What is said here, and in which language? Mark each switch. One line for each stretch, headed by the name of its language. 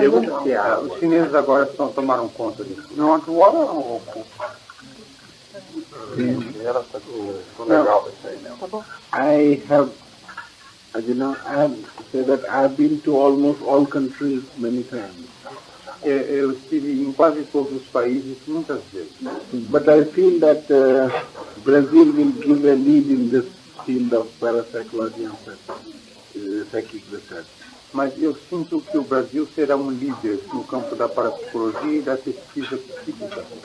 English: They would,
Portuguese: os chineses agora estão tomando conta disso. Não, que water não vou pôr.
English: I have, as you know, I have said that I have been to almost all countries many times.
Portuguese: Eu estive em quase todos os países muitas vezes.
English: But I feel that Brazil will give a lead in this field of parapsychology and psychic research.
Portuguese: Mas eu sinto que o Brasil será um líder no campo da parapsicologia e da pesquisa psíquica.